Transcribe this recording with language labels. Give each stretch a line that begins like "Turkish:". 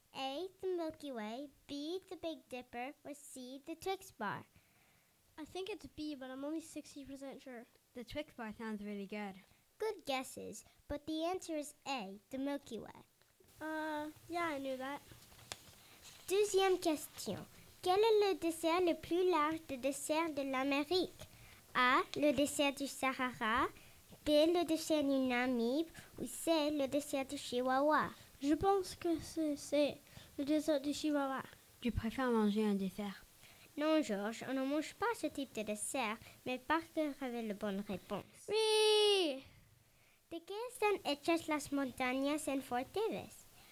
English: A, the Milky Way. B, the Big Dipper. Or C, the Twix Bar? I think it's B, but I'm only 60% sure. The Twix Bar sounds really good. Good guesses, but the answer is A, the Milky Way. Yeah, I knew that.
French: Deuxième question. Quel est le dessert le plus large des desserts de l'Amérique? A, le dessert du Sahara. B, le dessert du Namib. Ou C, le dessert du Chihuahua? Je pense que c'est le dessert du Chihuahua. Tu préfères manger un dessert? Non, Georges, on ne mange pas ce type de dessert, mais Parker avait la bonne réponse. Oui!
Spanish: ¿De qué están hechas las montañas en Fort Davis?